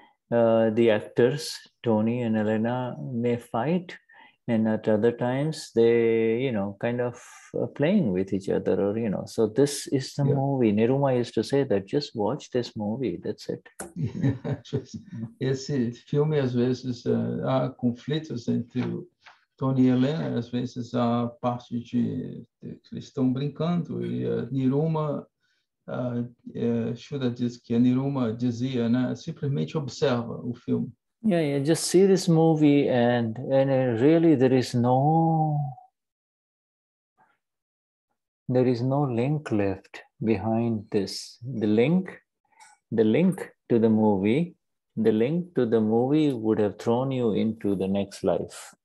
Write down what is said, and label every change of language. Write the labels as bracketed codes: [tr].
[en] the actors, Tony and Elena, may fight, and at other times they, you know, kind of playing with each other, or, you know, so this is the movie. Niruma used to say that, just watch this movie, that's it. [pt] Esse filme, às vezes, há conflitos entre o Tony e Elena, às vezes há parte de que eles estão brincando, e Niruma, Shuddha diz que a Niruma dizia, né, simplesmente observa o filme. [en] Yeah, yeah, just see this movie, and really there is no link left behind this. The link to the movie, the link to the movie would have thrown you into the next life.